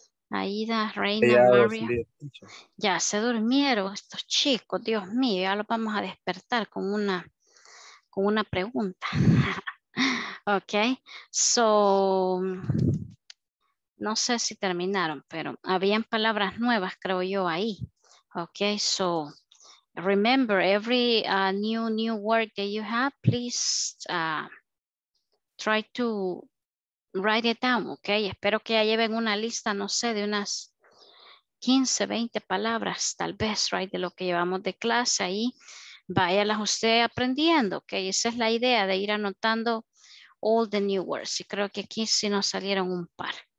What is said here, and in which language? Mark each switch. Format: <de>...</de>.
<es>Aida, Reina, ya Mario. Ya se durmieron estos chicos, Dios mío, ya los vamos a despertar con una pregunta. Okay, so. No sé si terminaron, pero habían palabras nuevas, creo yo, ahí.</es> <en>Okay, so remember every new word that you have, please try to write it down, okay?</en> <es>Espero que ya lleven una lista, no sé, de unas 15, 20 palabras, tal vez, right, de lo que llevamos de clase ahí. Váyalas usted aprendiendo, okay? Esa es la idea de ir anotando</es> <en>all the new words.</en> <es>Y creo que aquí sí nos salieron un par.</es>